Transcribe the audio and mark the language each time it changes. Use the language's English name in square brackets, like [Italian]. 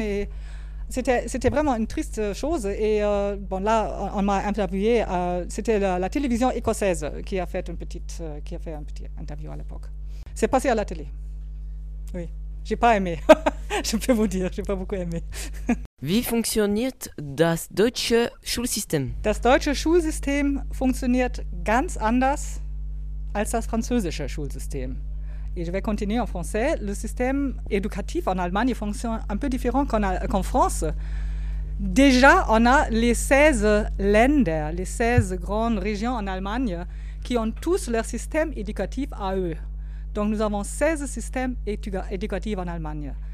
[French] Et c'était vraiment une triste chose. Et bon, là, on m'a interviewé. C'était la télévision écossaise qui a fait un petit interview à l'époque. C'est passé à la télé. Oui, j'ai pas aimé. Je peux vous dire, j'ai pas beaucoup aimé. [German] Wie funktioniert das deutsche Schulsystem? Das deutsche Schulsystem funktioniert ganz anders als das französische Schulsystem. [French] Et je vais continuer en français. Le système éducatif en Allemagne fonctionne un peu différent qu'en France. Déjà, on a les 16 Länder, les 16 grandes régions en Allemagne, qui ont tous leur système éducatif à eux. Donc nous avons 16 systèmes éducatifs en Allemagne.